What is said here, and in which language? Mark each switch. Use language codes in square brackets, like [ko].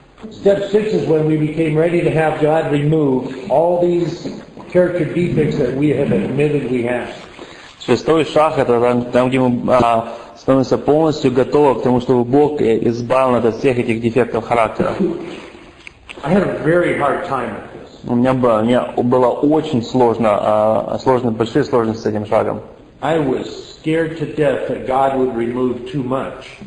[en] Step six is when we became ready to have God remove all these character defects that we have admitted we have. [ru] Шестой шаг – это там, где мы становимся полностью готовы к тому, чтобы Бог избавил нас от всех этих дефектов характера. [en] I had a very hard time with this. [ru] У меня было очень сложно, большие сложности с этим шагом. [en] I was scared to death that God would remove too much.